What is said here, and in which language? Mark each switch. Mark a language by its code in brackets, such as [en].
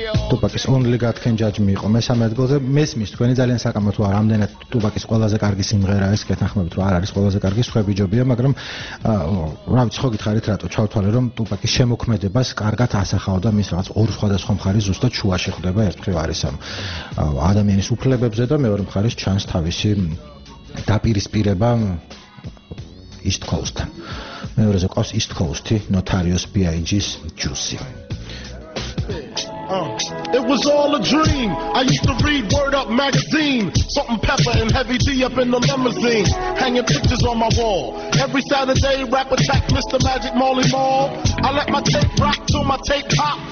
[ka] ტუპაკის only got can judge me იყო მესამე ადგილზე. მესმის თქვენი ძალიან საკამათოა რამდენად ტუპაკის ყველაზე კარგი სიმღერა ეს კეთახმებით რომ არ არის ყველაზე კარგი სხვები ჯობია, მაგრამ რა ვიცი ხო გითხარით რატო ჩავთვალე რომ ტუპაკის შემოქმედებას კარგად ასახავდა მის რაც ორ სხვადასხვა მხარეს ზუსტად შუაში ხდება ერთხელ არის ამ ადამიანის უფლებებზე და მეორე მხარეს ჩანს თავისი დაპირისპირება East Coast-თან. მეორეზე ყავს East Coast-ი Notarius B.I.G.'s Juicy. [en] It was all a dream. I used to read Word Up magazine. Salt and pepper and heavy D up in the limousine. Hanging pictures on my wall. Every Saturday, rap attack Mr. Magic Molly Mall. I let my tape rock till my tape pop.